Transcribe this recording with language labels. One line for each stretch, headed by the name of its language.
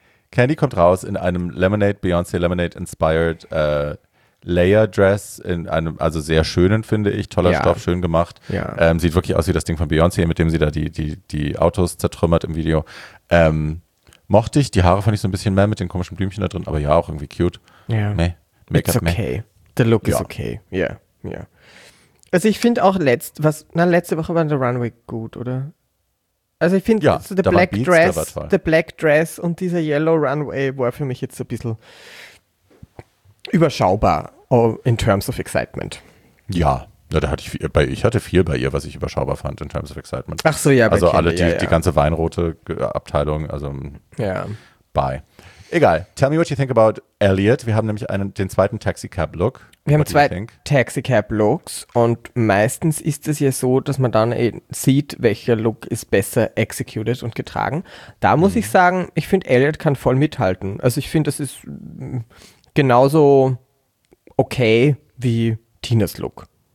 German: Candy kommt raus in einem Lemonade, Beyoncé Lemonade-inspired Layer-Dress, in einem, also sehr schönen, finde ich, toller Stoff, schön gemacht. Ja. Sieht wirklich aus wie das Ding von Beyoncé, mit dem sie da die Autos zertrümmert im Video. Mochte ich, die Haare fand ich so ein bisschen mehr mit den komischen Blümchen da drin, aber ja, auch irgendwie cute.
English: Yeah. Meh. Make-up, it's okay. Meh. The look is okay. Yeah.
German: Also ich finde auch letzte Woche war der Runway gut, oder? Also ich finde, der Black Dress und dieser Yellow Runway war für mich jetzt ein bisschen überschaubar
English: in terms of excitement.
German: Ja, da hatte ich hatte viel bei ihr, was ich überschaubar fand
English: in terms of excitement.
German: Ach so, ja. Also die ganze weinrote Abteilung, also ja.
English: Bye.
German: Egal,
English: tell me what you think about Elliot.
German: Wir haben nämlich den zweiten Taxicab-Look. Wir haben zwei Taxicab-Looks und meistens ist es ja so, dass man dann sieht, welcher Look ist besser executed und getragen. Da muss ich sagen, ich finde, Elliot kann voll mithalten. Also ich finde, das ist genauso okay wie Tinas Look.